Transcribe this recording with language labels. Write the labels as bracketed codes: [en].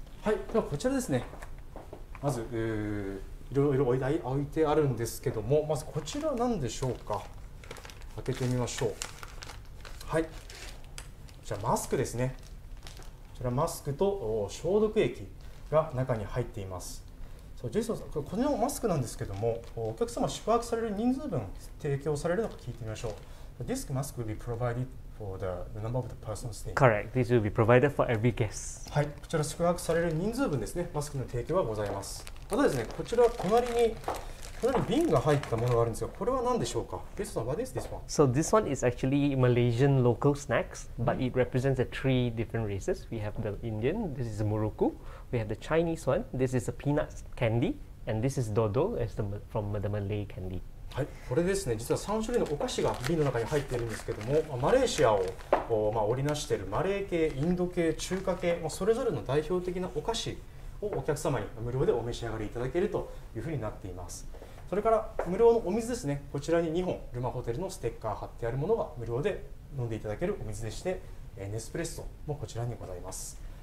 [ja] はい、ではこちらですね、まずいろいろ置いてあるんですけども、まずこちら何でしょうか、開けてみましょう。はい、じゃあマスクですね、こちらマスクと消毒液が中に入っています。ジェイソンさん、これのマスクなんですけども、お客様宿泊される人数分提供されるのか聞いてみましょう。 [en] This mask will be provided for the number of the person staying. Correct. This will be provided for every guest. [ja] はい、こちら宿泊される人数分ですね、マスクの提供はございます。またですね、こちら隣に、これに瓶が入ったものがあるんですが、これは何でしょうか。 [en] ジェイソンさん、what is this one? So this one is actually Malaysian local snacks, but it represents the three different races. We have the Indian, this is the Muruku. We have the Chinese one. This is a peanut candy, and this is dodo, is the from the Malay candy. [ja] はい、これですね。実は3種類のお菓子が瓶の中に入っているんですけども、マレーシアを織りなしているマレー系、インド系、中華系、それぞれの代表的なお菓子をお客様に無料でお召し上がりいただけるというふうになっています。それから無料のお水ですね、こちらに2本ルマホテルのステッカー貼ってあるものが無料で飲んでいただけるお水でして、ネスプレッソもこちらにございます。